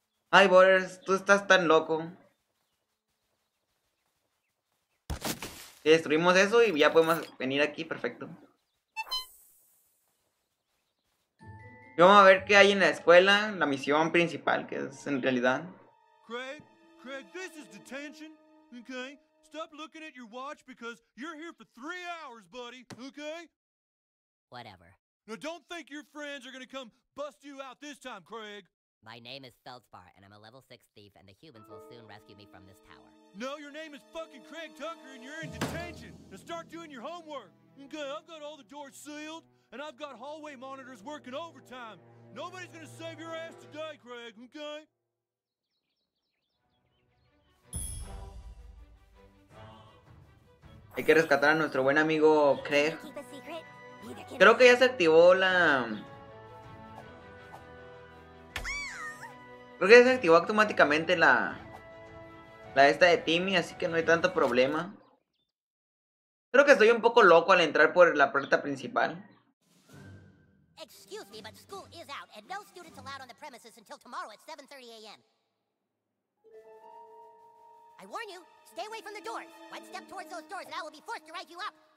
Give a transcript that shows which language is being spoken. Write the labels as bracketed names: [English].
[Spanish] Ay, Borders, tú estás tan loco. Destruimos eso y ya podemos venir aquí, perfecto. Y vamos a ver qué hay en la escuela, la misión principal, que es en realidad. [English] Craig, this is detention, okay? Stop looking at your watch because you're here for 3 hours, buddy, okay? Whatever. Now don't think your friends are gonna come bust you out this time, Craig. My name is Feldspar, and I'm a level 6 thief, and the humans will soon rescue me from this tower. No, your name is fucking Craig Tucker, and you're in detention. Now start doing your homework. Okay, I've got all the doors sealed, and I've got hallway monitors working overtime. Nobody's gonna save your ass today, Craig, okay? [Spanish] Hay que rescatar a nuestro buen amigo Craig. Creo que ya se activó la... Creo que se activó automáticamente la esta de Timmy, así que no hay tanto problema. Creo que estoy un poco loco al entrar por la puerta principal. [English] Excuse me, but school is out and no students allowed on the premises until tomorrow at 7:30 a.m. I warn you, stay away from the doors. One step towards those doors and I will be forced to write you up.